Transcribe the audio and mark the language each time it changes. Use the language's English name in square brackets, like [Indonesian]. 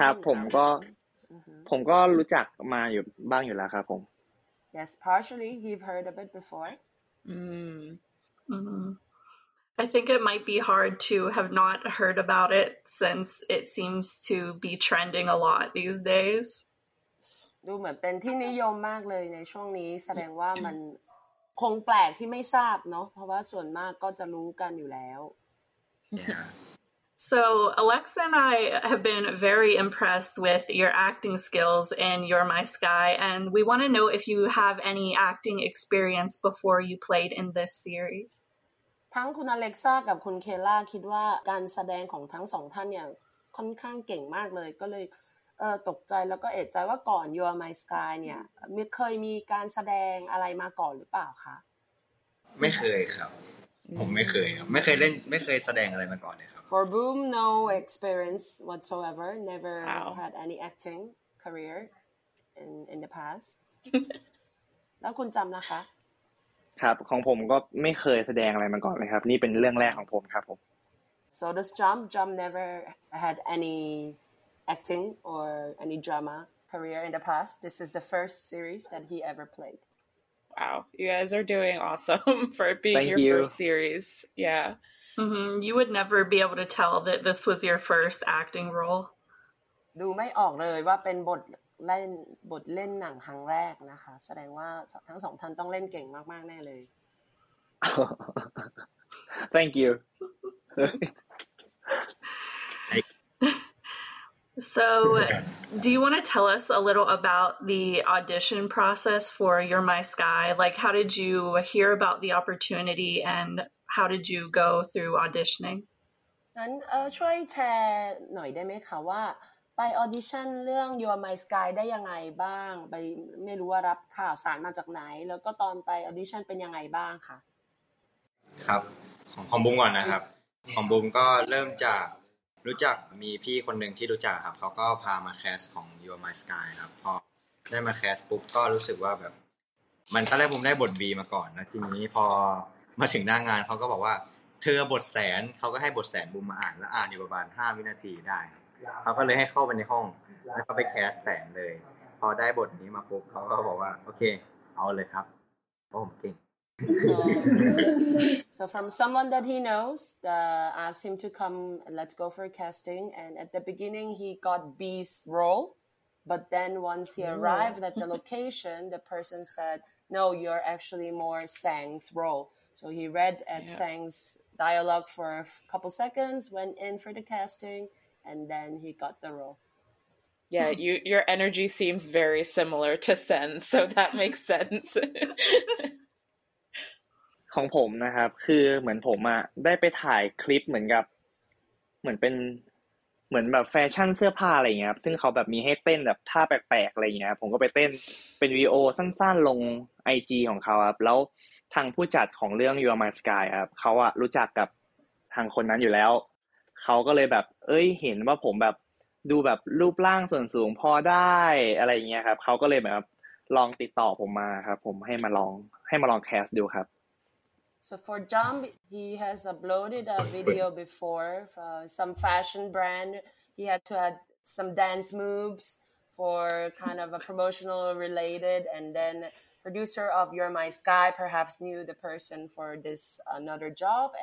[Thai] ครับผมก็รู้จักมาอยู่บ้างอยู่แล้วครับผม [English] Yes partially you've heard of it before I think it might be hard to have not heard about it since it seems to be trending a lot these days. [Thai] ดูเหมือนเป็นที่นิยมมากเลยในช่วงนี้แสดงว่ามันคงแปลกที่ไม่ทราบเนาะเพราะว่าส่วนมากก็จะรู้กันอยู่แล้ว [English] So Alexa and I have been very impressed with your acting skills in You're My Sky and we want to know if you have any acting experience before you played in this series. [Thai] ทั้งคุณอเล็กซ่ากับคุณเคล่าคิดว่าการแสดงของทั้งสองท่านเนี่ยค่อนข้างเก่งมากเลยก็เลยตกใจแล้วก็เอะใจว่าก่อน You Are My Sky เนี่ยมีเคยมีการแสดงอะไรมาก่อนหรือเปล่าคะ ไม่เคยครับผมไม่เคยครับไม่เคยเล่นไม่เคยแสดงอะไรมาก่อนเลยครับ [English] For Boom no experience whatsoever never had any acting career in the past [Thai] แล้วคุณจำนะคะ ครับของผมก็ไม่เคยแสดงอะไรมาก่อนเลยครับนี่เป็นเรื่องแรกของผมครับผม [English] So does Jump never had any acting or any drama career in the past? This is the first series that he ever played. Wow, you guys are doing awesome for it being your first series. Yeah, You would never be able to tell that this was your first acting role. [Thai] ดูไม่ออกเลยว่าเป็นบทเล่นหนังครั้งแรกนะคะแสดงว่าทั้งสองท่านต้องเล่นเก่งมากๆแน่เลย [English] Thank you So do you want to tell us a little about the audition process for You're My Sky like how did you hear about the opportunity and how did you go through auditioning [Thai] นั้นช่วยแชร์หน่อยได้ไหมคะว่าไปออดิชั่นเรื่อง You Are My Sky ได้ยังไงบ้างไปไม่รู้ว่ารับข่าวสารมาจากไหนแล้วก็ตอนไปออดิชั่นเป็นยังไงบ้างคะ ครับของบุ้งก่อนนะครับของบุ้งก็เริ่มจากรู้จักมีพี่คนหนึ่งที่รู้จักครับเขาก็พามาแคสของ You Are My Sky ครับพอได้มาแคสปุ๊บก็รู้สึกว่าแบบมันตอนแรกผมได้บท B มาก่อนนะทีนี้พอมาถึงหน้างานเขาก็บอกว่าเธอบทแสนเขาก็ให้บทแสนบุ้งมาอ่านแล้วอ่านอยู่ประมาณ5วินาทีได้เขาก็เลยให้เข้าไปในห้องแล้วก็ไปแคสแสงเลยพอได้บทนี้มาปุ๊บเขาก็บอกว่าโอเคเอาเลยครับโอ้ผมเก่ง [English] so from someone that he knows asked him to come let's go for casting and at the beginning he got B's role but then once he arrived at the location the person said no you're actually more Sang's role so he read at Sang's dialogue for a couple seconds went in for the castingAnd then he got the role. Yeah, your energy seems very similar to Sen, so that makes sense. [Thai] ของผมนะครับคือเหมือนผมอะได้ไปถ่ายคลิปเหมือนกับเหมือนเป็น เหมือนแบบแฟชั่นเสื้อผ้าอะไรอย่างเงี้ยครับซึ่งเขาแบบมีให้เต้นแบบท่าแปลกๆอะไรอย่างเงี้ยผมก็ไปเต้นเป็นวีโอสั้นๆลง IG ของเขาครับแล้วทางผู้จัดของเรื่อง You Are My Sky ครับเขาอะรู้จักกับทางคนนั้นอยู่แล้วเขาก็เลยแบบเอ้ยเห็นว่าผมแบบดูแบบรูปร่างส่วนสูงพอได้อะไรอย่างเงี้ยครับเขาก็เลยแบบลองติดต่อผมมาครับผมให้มาลองแคสดูครับ [English] So for Jump, he has uploaded a video before for some fashion brand. He had to add some dance moves for kind of a promotional related. And then producer of You're My Sky perhaps knew the person for this another job.